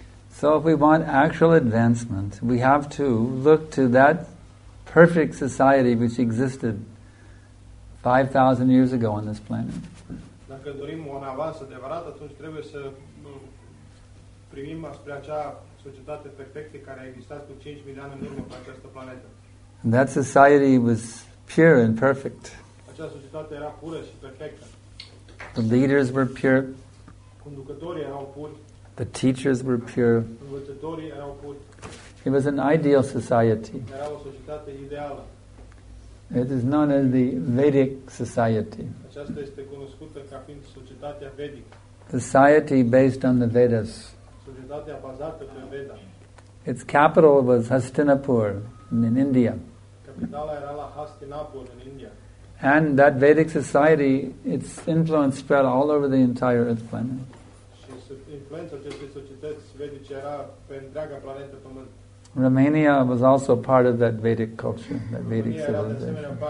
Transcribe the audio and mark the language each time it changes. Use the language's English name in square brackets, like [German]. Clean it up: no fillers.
[English] So if we want actual advancement, we have to look to that perfect society which existed 5,000 years ago on this planet. [Romanian] Dacă dorim un avans adevărat, atunci trebuie să primim spre acea societate perfectă care a existat cu 5.000 de ani în urmă pe această planetă. [English] And that society was pure and perfect. [Romanian] Acea societate era pură și perfectă. [English] The leaders were pure. [Romanian] Conducătorii erau puri. [English] The teachers were pure. [Romanian] Învățătorii erau puri. [English] It was an ideal society. [Romanian] Era o societate ideală. [English] It is known as the Vedic society. [Romanian] Aceasta este cunoscută ca fiind societatea vedică. [English] Society based on the Vedas. [Romanian] Societatea bazată pe Veda. [English] Its capital was Hastinapur in India. [Romanian] Capitala era la Hastinapur in India. [English] And that Vedic society, its influence spread all over the entire Earth planet. [Romanian] Și influența acestei societăți vedice era pe întreaga planetă Pământ. [English] Romania was also part of that Vedic culture, that Vedic civilization.